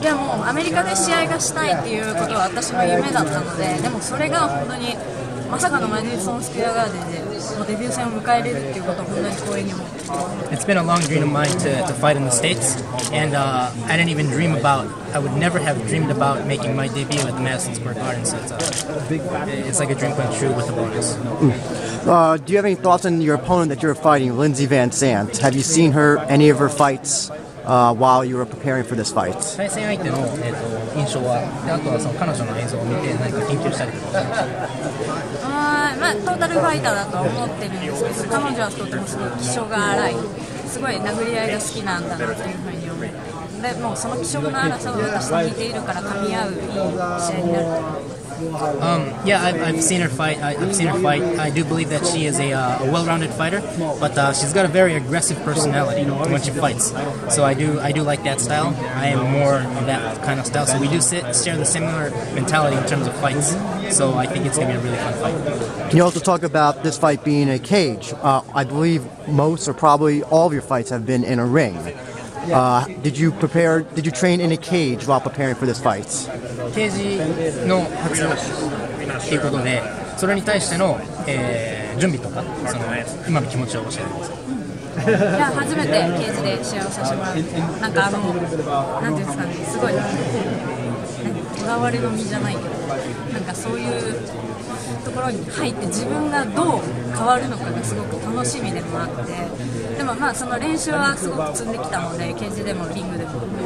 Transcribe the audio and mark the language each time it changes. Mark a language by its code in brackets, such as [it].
[ja] いや、もうアメリカで試合がしたいっていうことは私の夢だったので、でもそれが本当にまさかのマディソンスクエアガーデンでデビュー戦を迎えれるっていうことは本当に光栄に思ってます。 [en] It's been a long dream of mine to fight in the States, and I didn't even dream about, I would never have dreamed about making my debut at the Madison Square Garden, so it's like a dream come true with a bonus. Do you have any thoughts on your opponent that you're fighting, Lindsey Van Sant? Have you seen her, any of her fights? While you were preparing for this fight. [ja] 対戦相手の、印象は、であとはその彼女の映像を見て何か研究したりとか。トータルファイターだと思ってるんですけど、彼女はとてもすごい気性が荒い、すごい殴り合いが好きなんだなというふうに思ってます。でもその気性の荒さを私に似ているから噛み合ういい試合になると思います。 [en] I've seen her fight. I've seen her fight. I do believe that she is a well-rounded fighter, but she's got a very aggressive personality when she fights. So I do like that style. I am more of that kind of style. So we do share the similar mentality in terms of fights. So I think it's going to be a really fun fight. Can you also talk about this fight being a cage? I believe most or probably all of your fights have been in a ring. Did you train in a cage while preparing for this fight? [ja] ケージの初っていうことで、それに対しての、準備とか、その今の気持ちを教えてください。いや、初めてケージで試合をさせてもらって、なんかなんていうんですかね、すごい、こだわりの身じゃないけど、なんかそういうところに入って、自分がどう変わるのかがすごく楽しみでもあって、でもまあ、その練習はすごく積んできたので、ケージでもリングでも。